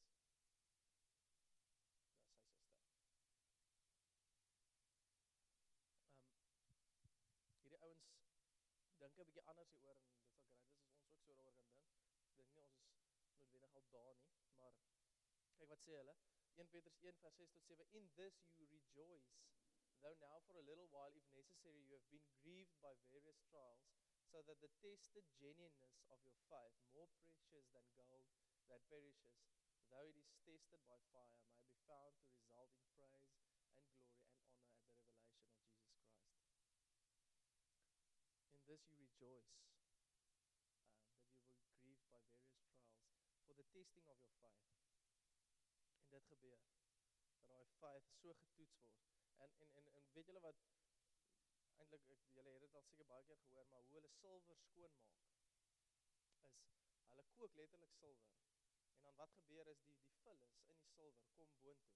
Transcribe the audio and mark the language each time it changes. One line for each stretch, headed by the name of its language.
Afrikaans: Dis sy suster. Hierdie ouens dink 'n bietjie anders hieroor en dit sal grait is as ons ook so daaroor kan dink. Ek dink nie ons is noodwendig al daar nie, maar kyk wat sê hulle. 1 Petrus 1 vers 6 tot 7.
English: In this you rejoice, though now for a little while, if necessary, you have been grieved by various trials, so that the tested genuineness of your faith, more precious than gold that perishes, though it is tested by fire, may be found to result in praise and glory and honor at the revelation of Jesus Christ. In this you rejoice, that you were grieved by various trials, for the testing of your faith.
Afrikaans: En dit gebeur, dat
English: our faith
Afrikaans: so getoets word. En weet julle wat, eintlik, julle het dit al seker baie keer gehoor, maar hoe hulle silwer skoon maak, is, hulle kook letterlik silwer, en dan wat gebeur is, die vullis in die silwer kom boontoe,